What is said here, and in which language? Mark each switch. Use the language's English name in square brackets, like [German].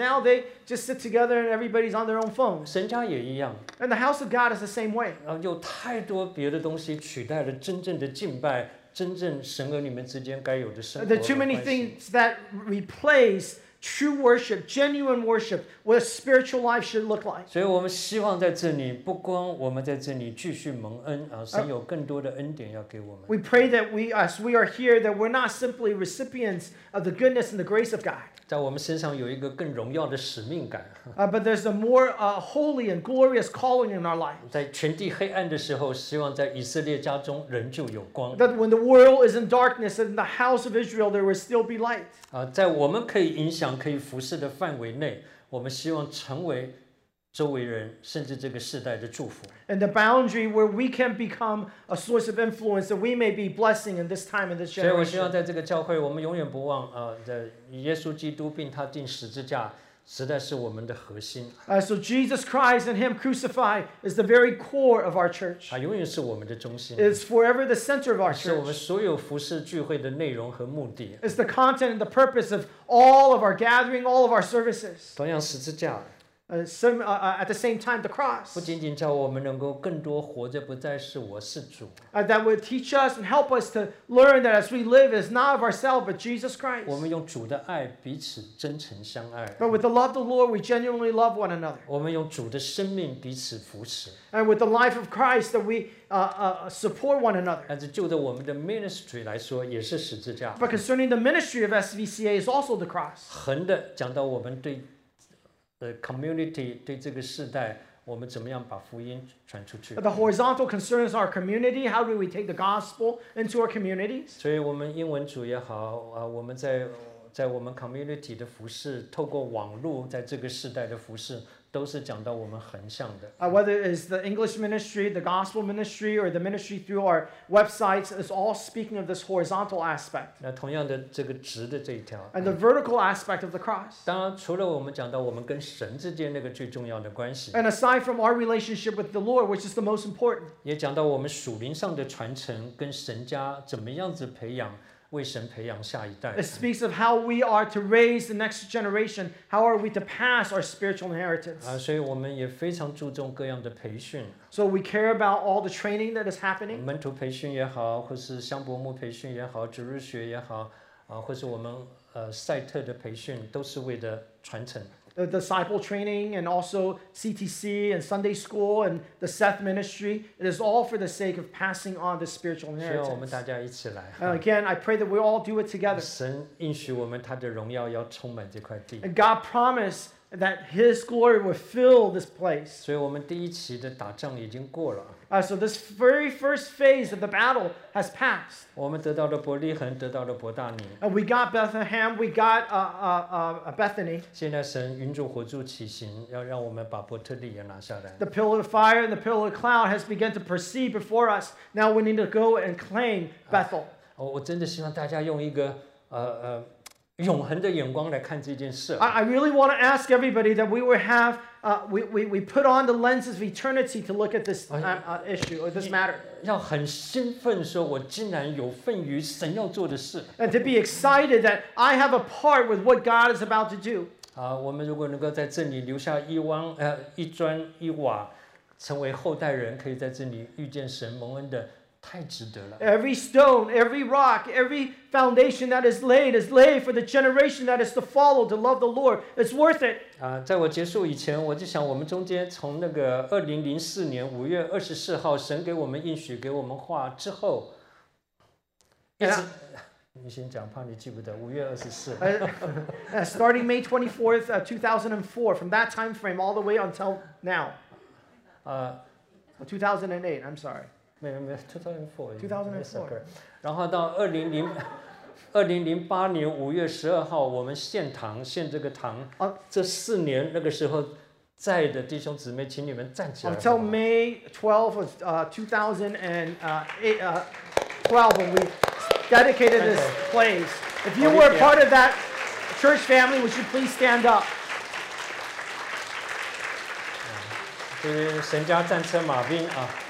[English] Now they just sit together and everybody's on their own phone. [Chinese] 神家也一样。 [English] And the house of God is the same way. [Chinese] 有太多别的东西取代了真正的敬拜，真正神儿女们之间该有的生活的关系。 [English] There are too many things that replace true worship, genuine worship, what a spiritual life should look like. [Chinese] 所以我们希望在这里，不光我们在这里继续蒙恩，神有更多的恩典要给我们。 [English] We pray that we, as we are here, that we're not simply recipients of the goodness and the grace of God. [Chinese] 在我们身上有一个更荣耀的使命感。 [English] But there's a more holy and glorious calling in our life. [Chinese] 在全地黑暗的时候，希望在以色列家中仍旧有光。 [English] That when the world is in darkness, in the house of Israel, there will still be light. [Chinese] 在我们可以影响可以服侍的范围内，我们希望成为周围人甚至这个世代的祝福。 [English] And the boundary where we can become a source of influence that we may be blessing in this time and this generation. [Chinese] 所以我希望在这个教会，我们永远不忘耶稣基督并他钉十字架，实在是我们的核心。 [English] So Jesus Christ and Him crucified is the very core of our church. [Chinese] 永远是我们的中心。 [English] It's forever the center of our church. [Chinese] 是我们所有服侍聚会的内容和目的。 [English] It's the content and the purpose of all of our gathering, all of our services. [Chinese] 同样十字架。 [English] At the same time, the cross. [Chinese] 不仅仅叫我们能够更多活着，不再是我是主。 [English] That would teach us and help us to learn that as we live, it's not of ourselves but Jesus Christ. [Chinese] 我们用主的爱彼此真诚相爱。 [English] But with the love of the Lord, we genuinely love one another. [Chinese] 我们用主的生命彼此扶持。 [English] And with the life of Christ, that we support one another. [Chinese] 但是就着我们的 ministry 来说，也是十字架。 [English] But concerning the ministry of SVCA is also the cross. [Chinese] 横的讲到我们对。The community 对这个世代，我们怎么样把福音传出去 [English] ？The horizontal concerns our community. How do we take the gospel into our communities? [Chinese] 所以我们英文组也好，我们在我们 community 的服事，透过网络，在这个世代的服事，都是讲到我们横向的。 [English] Whether it's the English ministry, the gospel ministry, or the ministry through our websites, is all speaking of this horizontal aspect. [Chinese] 那同样的，这个直的这一条。 [English] And the vertical aspect of the cross. [Chinese] 当然，除了我们讲到我们跟神之间那个最重要的关系。 [English] And aside from our relationship with the Lord, which is the most important. [Chinese] 也讲到我们属灵上的传承，跟神家怎么样子培养。为神培养下一代。 [English] It speaks of how we are to raise the next generation. How are we to pass our spiritual inheritance? [Chinese] 所以我们也非常注重各样的培训。 [English] So we care about all the training that is happening. [Chinese] 门徒培训也好，或是香柏木培训也好，主日学也好，或是我们赛特的培训，都是为了传承。 [English] The disciple training and also CTC and Sunday school and the Seth ministry. It is all for the sake of passing on the spiritual inheritance. [Chinese] 需要我们大家一起来。 [English] Again, I pray that we all do it together. [Chinese] 神应许我们他的荣耀要充满这块地。 [English] And God promised that His glory would fill this place. [Chinese] 所以我们第一期的打仗已经过了。 [English] So this very first phase of the battle has passed. [Chinese] 我们得到了伯利恒，得到了伯大尼。 [English] We got Bethlehem, we got Bethany. [Chinese] 现在神云柱火柱起行，要让我们把伯特利也拿下来。 [English] The pillar of fire and the pillar of cloud has begun to proceed before us. Now we need to go and claim Bethel. [Chinese] 我真的希望大家用一个永恒的眼光来看这件事。 [English] I really want to ask everybody that we would have, we put on the lenses of eternity to look at this issue or this matter. [Chinese] 要很兴奋，说我竟然有份于神要做的事。 [English] And to be excited that I have a part with what God is about to do. [Chinese] 我们如果能够在这里留下一砖一瓦，成为后代人可以在这里遇见神蒙恩的。太值得了。 [English] Every stone, every rock, every foundation that is laid for the generation that is to follow to love the Lord. It's worth it. [Chinese] 在我结束以前，我就想我们中间从那个2004年5月24号神给我们应许给我们话之后，你先讲，怕你记不得。五月二十四。 [English] Starting May 24th, 2004, from that time frame all the way until now. 2008. I'm sorry. [Chinese] 2004, 然后到2008年5月12号，我们献堂，献这个堂。这四年，那个时候在的弟兄姊妹，请你们站起来。 [English] Until May 12th, 2012, when we dedicated this place. If you were a part of that church family, would you please stand up? [Chinese] 这是神家战车马兵啊。